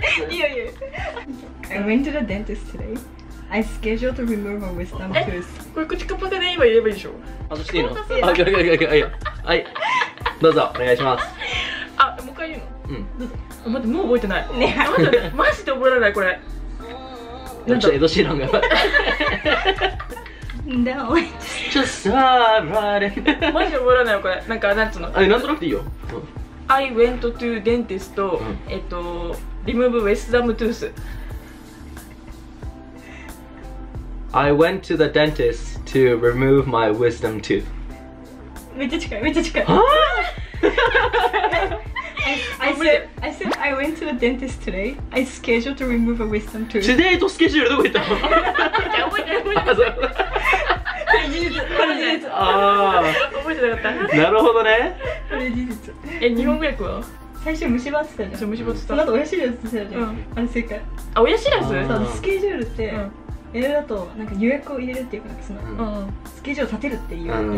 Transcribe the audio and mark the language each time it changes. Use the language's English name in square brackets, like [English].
[Japanese] いや、いいよ。 [English] I went to the dentist today. I scheduled to remove a wisdom tooth. [Japanese] え、これ口カパカで言えばいいでしょ。あ、そしていいの？あ、いやいやいやいや、はい、どうぞ、お願いします。あ、もう一回言うの？うん、どうぞ。待って、もう覚えてない。ねえ、待って、マジで覚えられない、これ。なんちょっとエドシーランが。 [English] No, I just saw it. [Japanese] マジで覚えられないよ、これ。なんか、なんつうの？あ、なんとなくていいよ。 [English] I went to dentist [Japanese] と、うん、 [English] remove wisdom tooth. I went to the dentist to remove my wisdom tooth. [Japanese] めっちゃ近い、めっちゃ近い。はぁ？ [English] I said I went to the dentist today. I scheduled to remove a wisdom tooth. [Japanese] Today とスケジュールどこ行ったの？覚えてない、覚えてない。これ事実、これ事実。あー。覚えてなかった。なるほどね。これ事実。え、日本語訳は？最初虫歯ってたじゃん。そう、虫歯ってた。その後親知らずってたじゃん。うん、あれ正解。あ、親知らず？そう、スケジュールって、英語だとなんか予約を入れるっていうか、なんかその、スケジュール立てるっていう。